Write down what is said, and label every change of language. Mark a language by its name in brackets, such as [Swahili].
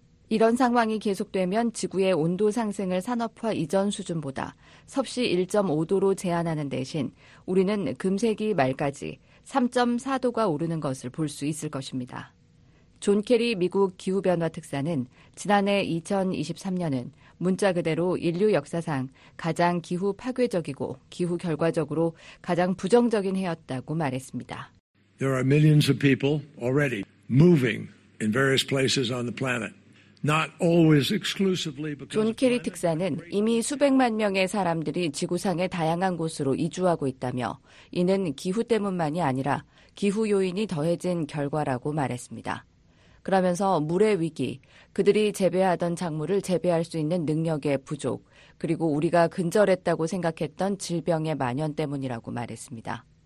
[Korean] 이런 상황이 계속되면 지구의 온도 상승을 산업화 이전 수준보다 섭씨 1.5도로 제한하는 대신 우리는 금세기 말까지 3.4도가 오르는 것을 볼 수 있을 것입니다. 존 케리 미국 기후변화 특사는 지난해 2023년은 문자 그대로 인류 역사상 가장 기후 파괴적이고 기후 결과적으로 가장 부정적인 해였다고 말했습니다. [English] There are millions of people already moving in various places on the planet. Not always exclusively because [Korean] 존 케리 특사는 이미 수백만 명의 사람들이 지구상의 다양한 곳으로 이주하고 있다며 이는 기후 때문만이 아니라 기후 요인이 더해진 결과라고 말했습니다. 그러면서 물의 위기, 그들이 재배하던 작물을 재배할 수 있는 능력의 부족, 그리고 우리가 근절했다고 생각했던 질병의 만연 때문이라고 말했습니다.